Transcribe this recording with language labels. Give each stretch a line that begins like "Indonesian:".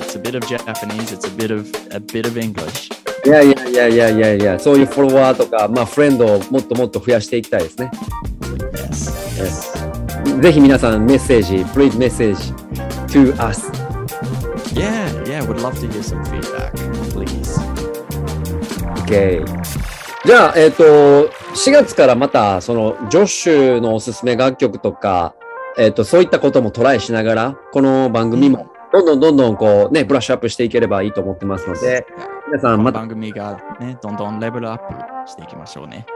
English: It's a bit of Japanese, it's a bit of English. Yeah, yeah, yeah, yeah, yeah, yeah.
Japanese: そういうフォロワーとか、まあフレンドをもっともっと増やしていきたいですね。
English: Yes. Yes.
Japanese: ぜひ皆さんメッセージ、
English: please message to us. Yeah, yeah, would love to hear some feedback, please. Okay.
Japanese: じゃあ、4月からまた、その、ジョッシュのおすすめ楽曲とか、そういったこともトライしながら、この番組も、どんどんどんどん、こう、ね、ブラッシュアップしていければいいと思ってますので、皆さん、また。番組がね、どんどんレベルアップしていきましょうね。